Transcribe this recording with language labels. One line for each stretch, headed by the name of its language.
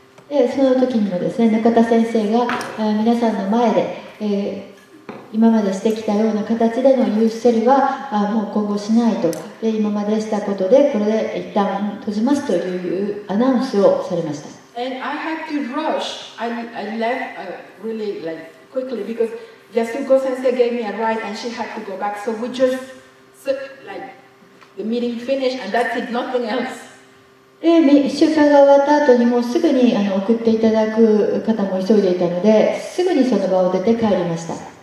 Japanese: でその時にもですね、中田先生が皆さんの前で、今までしてきたような形でのユースセルはもう今後しないと、で今までしたことでこれで一旦閉じますというアナウンスをされました。
English: And I had to rush. I left really like quickly because Yasuko sensei gave me a ride and she had to go back. So we just like the meeting finished and that's it, nothing else.
Japanese: で集会が終わった後にもうすぐに送っていただく方も急いでいたので、すぐにその場を出て帰りました。